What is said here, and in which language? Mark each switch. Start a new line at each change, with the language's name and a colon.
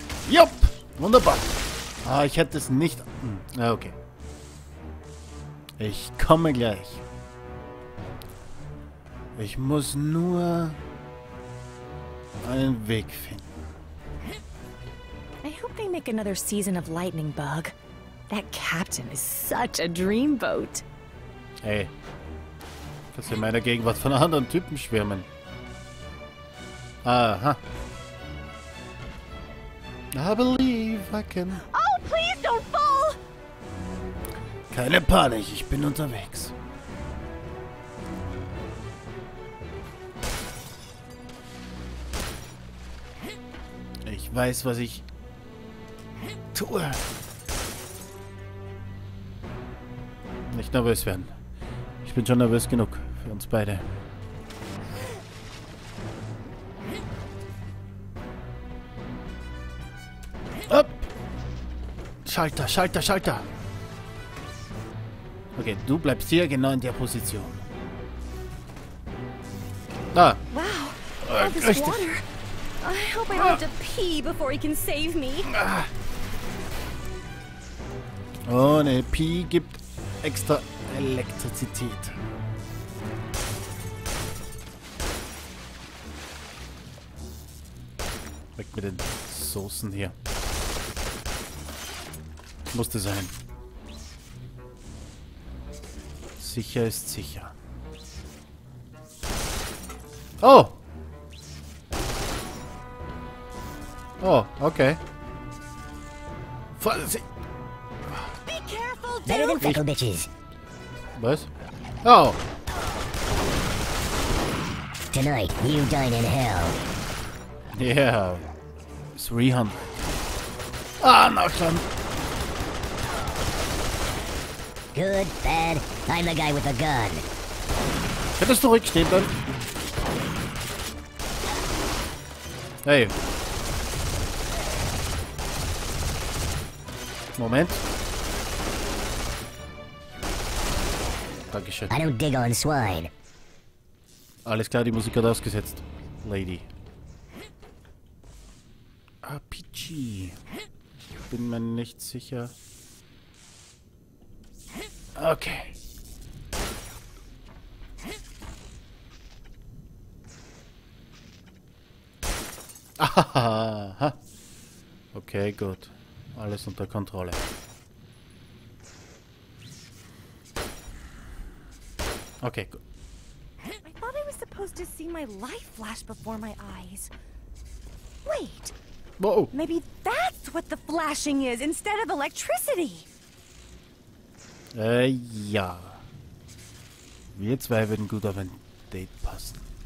German: Jupp! Wunderbar. Ah, ich hätte es nicht... Ah, okay. Ich komme gleich. Ich muss nur... einen Weg finden. Ich hoffe, sie machen eine neue Season von Lightning Bug.
English: That captain is such a dreamboat.
German: Hey, dass in meiner Gegenwart von anderen Typen schwärmen. Aha.
English: I believe I can. Oh, please don't fall!
German: Keine Panik, ich bin unterwegs. Ich weiß, was ich tue. Nicht nervös werden. Ich bin schon nervös genug für uns beide.
English: Up.
German: Schalter, Schalter, Schalter. Okay, du bleibst hier genau in der Position. Ah.
English: Wow. All this water. I hope I don't have to pee before he can save me.
German: Oh, ne, Pee gibt extra Elektrizität. Weg mit den Soßen hier. Musste sein. Sicher ist sicher. Oh! Oh, okay. Vorsicht!
English: Be careful, dude! Better than bitches.
German: Was? Oh!
English: Tonight, you dine in hell. Yeah. 300. Ah, no, son! Good, bad, I'm the guy with the gun.
German: Hättest du ruhig stehen bleiben? Hey. Moment. Dankeschön.
English: I don't dig on swine.
German: Alles klar, die Musik hat ausgesetzt.
English: Lady.
German: RPG. Bin mir nicht sicher. Okay. Ah, okay, gut. Alles unter Kontrolle. Okay, gut.
English: I thought I was supposed to see my life flash before my eyes. Wait. Whoa. Maybe that's what the flashing is instead of electricity.
German: Ja. Wir zwei würden gut auf ein Date passen.